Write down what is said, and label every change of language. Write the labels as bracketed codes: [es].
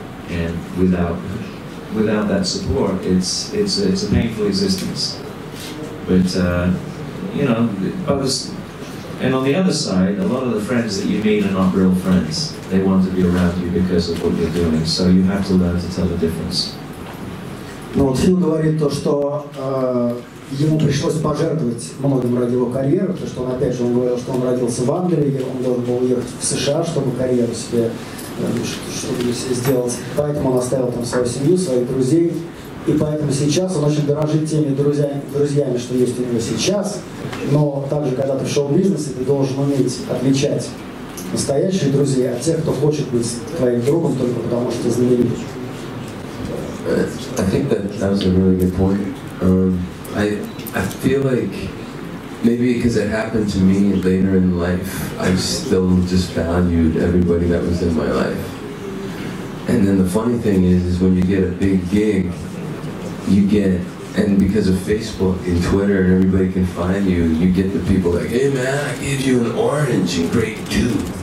[en] And without that support, it's a painful existence. But, you know, and on the other side, a lot of the friends that you meet are not real friends. They want to be around you because of what you're doing. So you have to learn to tell the difference. [ru] Ну, вот Фил говорит то, что ему пришлось пожертвовать многим ради его карьеры, потому что он, опять же, он говорил, что он родился в Англии, он должен был уехать в США, чтобы карьеру себе, чтобы себе сделать. Поэтому он оставил там свою семью, своих друзей. И поэтому сейчас он очень дорожит теми друзьями, что есть у него сейчас. Но также, когда ты в шоу-бизнесе, ты должен уметь отличать настоящие друзья от тех, кто хочет быть твоим другом только потому, что ты знаменит. [en] I think that was a really good point. I feel like maybe because it happened to me later in life, I still just valued everybody that was in my life. And then the funny thing is when you get a big gig, you get, and because of Facebook and Twitter and everybody can find you, you get the people like, hey man, I gave you an orange and grape too.